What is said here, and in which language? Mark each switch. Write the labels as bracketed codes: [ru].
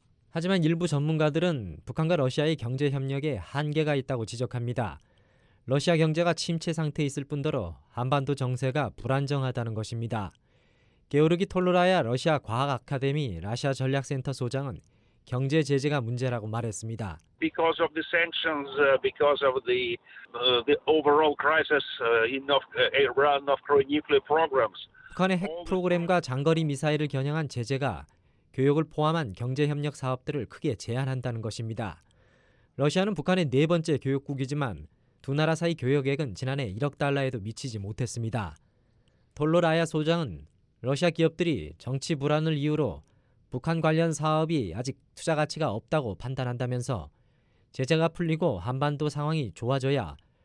[ko] 하지만 일부 전문가들은 북한과 러시아의 경제협력에 한계가 있다고 지적합니다. 러시아 경제가 침체 상태에 있을 뿐더러 한반도 정세가 불안정하다는 것입니다. 게오르기 톨로라야 러시아 과학 아카데미 러시아 전략 센터 소장은 경제 제재가 문제라고 말했습니다. [en] Because of the sanctions, because of the overall crisis in Iran of nuclear programs. [ko] 북한의 핵 프로그램과 장거리 미사일을 겨냥한 제재가 교육을 포함한 경제 협력 사업들을 크게 제한한다는 것입니다. 러시아는 북한의 네 번째 교역국이지만 두 나라 사이 교역액은 지난해 1억 달러에도 미치지 못했습니다. 톨로라야 소장은 러시아 기업들이 정치 불안을 이유로 북한 관련 사업이 아직 투자 가치가 없다고 판단한다면서 제재가 풀리고 한반도 상황이 좋아져야